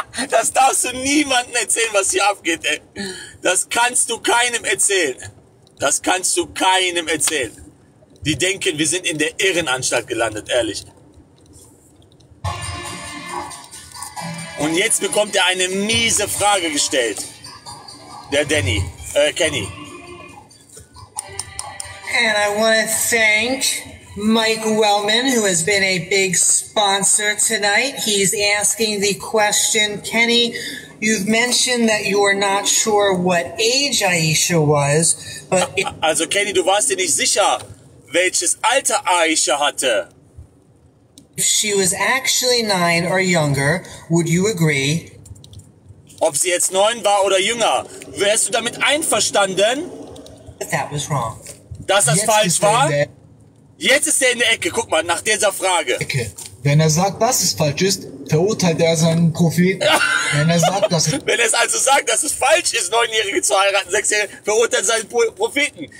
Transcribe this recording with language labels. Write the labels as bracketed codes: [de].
[de] Das darfst du niemandem erzählen, was hier abgeht, ey. Das kannst du keinem erzählen. Das kannst du keinem erzählen. Die denken, wir sind in der Irrenanstalt gelandet, ehrlich. Und jetzt bekommt er eine miese Frage gestellt. Der Danny, Kenny. [en] And I want to thank Mike Wellman, who has been a big sponsor tonight. He's asking the question, Kenny, you've mentioned that you are not sure what age Aisha was, but... [de] Also Kenny, du warst dir nicht sicher, welches Alter Aisha hatte. [en] If she was actually 9 or younger, would you agree? [de] Ob sie jetzt 9 war oder jünger, wärst du damit einverstanden? [en] But that was wrong. [de] Dass das falsch war? Jetzt ist er in der Ecke, guck mal, nach dieser Frage. Ecke. Wenn er sagt, dass es falsch ist, verurteilt er seinen Propheten. Wenn er sagt, dass er wenn es also sagt, dass es falsch ist, 9-Jährige zu heiraten, 6-Jährige, verurteilt seinen Propheten.